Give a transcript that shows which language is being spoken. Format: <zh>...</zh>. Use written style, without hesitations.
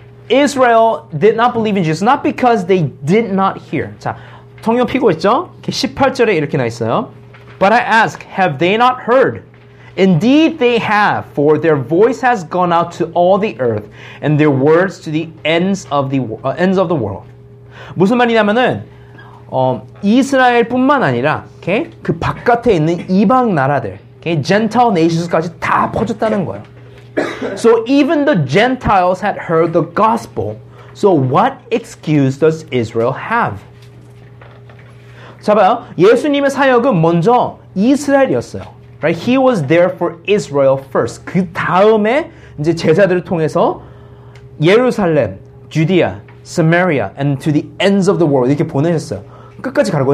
<en>Israel did not believe in Jesus, not because they did not hear.</en> <ko>자, 성경 피고 있죠? 18절에 이렇게 나 있어요.</ko> <en>But I ask, have they not heard? Indeed they have, for their voice has gone out to all the earth, and their words to the ends of the world.</en> <ko>무슨 말이냐면은 이스라엘뿐만 아니라 okay? 그 바깥에 있는 이방 나라들, okay? Gentile nations까지 다 퍼졌다는 거예요.</ko> <en>So even the Gentiles had heard the gospel. So what excuse does Israel have?</en> <ko>자 봐요. 예수님의 사역은 먼저 이스라엘이었어요.</ko> <en>Right? He was there for Israel first.</en> <ko>그 다음에 이제 제자들을 통해서 예루살렘, 주디아, 사마리아</ko> <en>and to the ends of the world</en> <ko>이렇게 보내셨어요. 끝까지 가라고.</ko>